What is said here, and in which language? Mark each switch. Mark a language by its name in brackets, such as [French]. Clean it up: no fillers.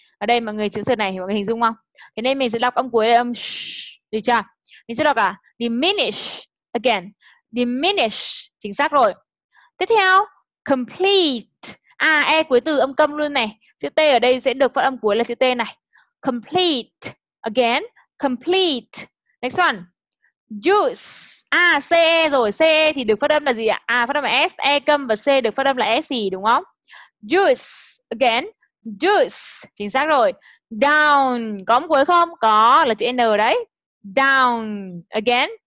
[Vietnamese] Ở đây mọi người chữ sờ này thì mọi người hình dung không? Thế nên mình sẽ đọc âm cuối âm sh, được chưa? Mình sẽ đọc là [English] diminish, again, diminish, [Vietnamese] chính xác rồi. Tiếp theo, complete, à E cuối từ âm câm luôn này. Chữ T ở đây sẽ được phát âm cuối là chữ T này. [English] Complete, again, complete. Next one, juice. [Vietnamese] À, CE rồi, CE thì được phát âm là gì ạ? À, phát âm là S, E câm và C được phát âm là S gì đúng không? [English] Juice, again, [Vietnamese] Deuce, chính xác rồi. Down, có một cuối không? Có, là chữ N đấy. [English] Down, again.